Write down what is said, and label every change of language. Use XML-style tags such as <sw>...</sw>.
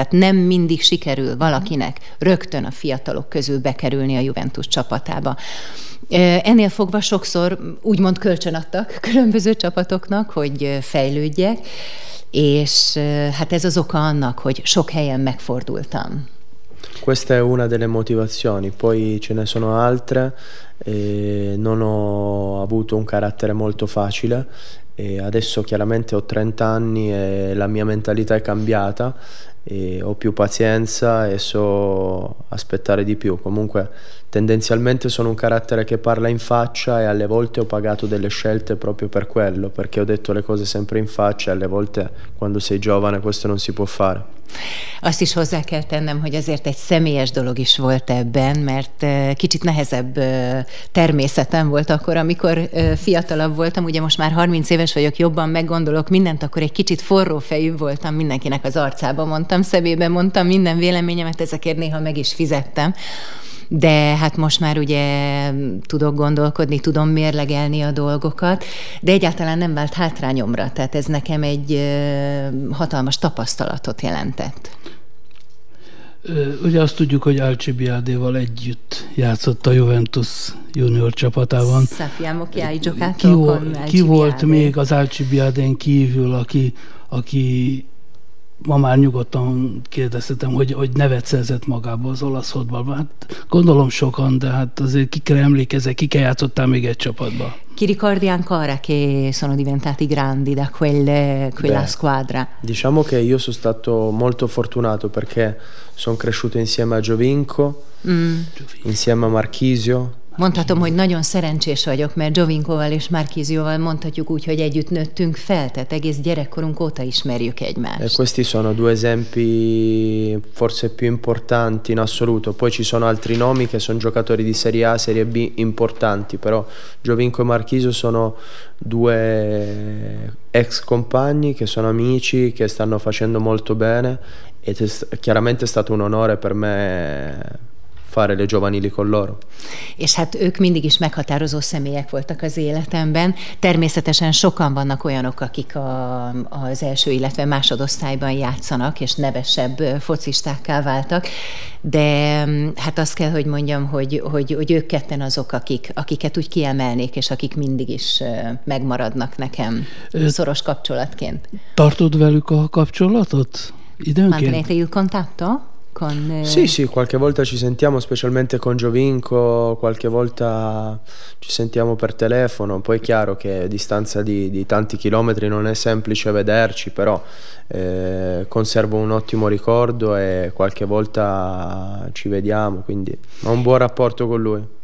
<hu>Tehát nem mindig sikerül valakinek rögtön a fiatalok közül bekerülni a Juventus csapatába. Ennél fogva sokszor úgymond kölcsön adtak különböző csapatoknak, hogy fejlődjek, és hát ez az oka annak, hogy sok helyen megfordultam.</hu> <it>Questa è una delle motivazioni, poi ce ne sono altre, non ho avuto un carattere molto facile, e adesso chiaramente ho 30 anni e la mia mentalità è cambiata, e ho più pazienza e so aspettare di più, comunque tendenzialmente sono un carattere che parla in faccia, e alle volte ho pagato delle scelte proprio per quello, perché ho detto le cose sempre in faccia, e alle volte quando sei giovane questo non si può fare.</it> <hu>Azt is hozzá kell tennem, hogy azért egy személyes dolog is volt ebben, mert kicsit nehezebb természetem volt akkor, amikor fiatalabb voltam, ugye most már 30 éves vagyok, jobban meggondolok mindent, akkor egy kicsit forró fejű voltam, mindenkinek az arcába mondtam, szemébe mondtam minden véleményemet, ezekért néha meg is fizettem. De hát most már ugye tudok gondolkodni, tudom mérlegelni a dolgokat, de egyáltalán nem vált hátrányomra, tehát ez nekem egy hatalmas tapasztalatot jelentett. Ugye azt tudjuk, hogy Alcibiadéval együtt játszott a Juventus junior csapatában.</hu> <it>Sappiamo che hai giocato con Alcibiadé.</it> <hu>Ki volt még az Alcibiadén kívül, aki ma már nyugodtan kérdeztetem, hogy nevet szerzett magába az olasz futballban. Hát gondolom sokan, de hát azért kikre emlékezek, kikre játszottál még egy csapatba.</hu> <it>Ki ricordi ancora che sono diventati grandi da quella squadra? Diciamo che io sono stato molto fortunato, perché sono cresciuto insieme a Giovinco, insieme a Marchisio,</it> <hu>Mondhatom, hogy nagyon szerencsés vagyok, mert Giovinkoval és Marchisioval mondhatjuk úgy, hogy együtt nőttünk fel, tehát egész gyerekkorunk óta ismerjük egymást.</hu> <it>E questi sono due esempi forse più importanti in assoluto. Poi ci sono altri nomi che sono giocatori di Serie A, Serie B importanti, però Giovinco e Marchisio sono due ex compagni che sono amici, che stanno facendo molto bene e chiaramente è stato un onore per me fare le giovanili con loro.</it> <hu>És hát ők mindig is meghatározó személyek voltak az életemben. Természetesen sokan vannak olyanok, akik az első, illetve másodosztályban játszanak, és nevesebb focistákká váltak, de hát azt kell, hogy mondjam, hogy ők ketten azok, akiket úgy kiemelnék, és akik mindig is megmaradnak nekem szoros kapcsolatként. Tartod velük a kapcsolatot időnként?</hu> <it>Mantenete il contatto? Sì, qualche volta ci sentiamo, specialmente con Giovinco, qualche volta ci sentiamo per telefono, poi è chiaro che a distanza di tanti chilometri non è semplice vederci, però conservo un ottimo ricordo e qualche volta ci vediamo, quindi ho un buon rapporto con lui.</it>